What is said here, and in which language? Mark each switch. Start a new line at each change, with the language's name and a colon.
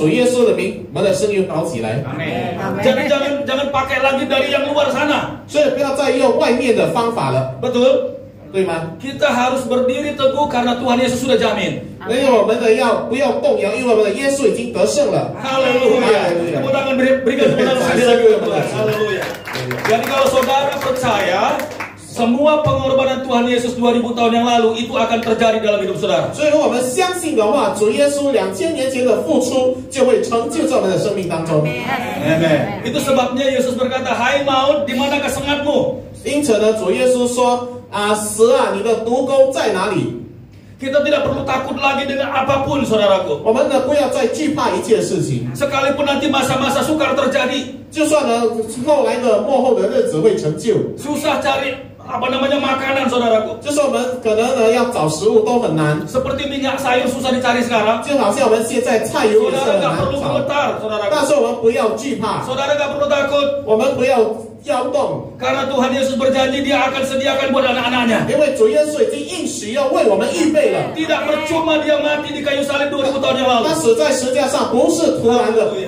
Chinese: 对，如果我们的生意很近的，可以奉主耶稣的名，我们的生意好起来。
Indonesian: Jangan pakai lagi dari yang luar sana.
Chinese: 所以不要再用外面的方法了。
Indonesian: Betul.
Chinese: 对吗?
Indonesian: Kita harus berdiri teguh karena Tuhan Yesus sudah jamin.
Chinese: 因为我们的要不要动摇，因为我们的耶稣已经得胜了。
Indonesian: Haleluya. Tepuk tangan berikan sekali lagi. Haleluya. Jadi kalau saudara percaya, semua pengorbanan Tuhan Yesus 2000 tahun yang lalu itu akan terjadi dalam hidup saudara.
Chinese: 所以如果我们相信的话, 主耶稣 2000 年前的付出 就会成就在我们的生命当中。
Indonesian: Amen. Itu sebabnya Yesus berkata, "Hai maut, di manakah sengatmu?"
Chinese: 因此呢，主耶稣说， 死啊，你的毒钩在哪里？
Indonesian: Kita tidak perlu takut lagi dengan apapun, saudaraku.
Chinese: 我们呢不要再惧怕一切事情。
Indonesian: Sekalipun nanti masa-masa sukar terjadi,
Chinese: 就算呢后来的末后的日子会成就。
Indonesian: Susah cari apa namanya makanan, saudaraku.
Chinese: 就是我们可能呢要找食物都很难。
Indonesian: Seperti minyak sayur susah dicari sekarang,
Chinese: 就好像我们现在菜油也是很难找。
Indonesian: Saudara nggak perlu gemetar, saudaraku.
Chinese: 但是我们不要惧怕。
Indonesian: Saudara nggak perlu takut.
Chinese: 我们不要 摇动,
Indonesian: karena Tuhan Yesus berjanji dia akan sediakan buat anak-anaknya.
Chinese: 因为主耶稣已经应许要为我们预备了.
Indonesian: Tidak percuma dia mati di kayu salib 2000 tahun yang lalu.
Chinese: 他死在十架上不是徒然的.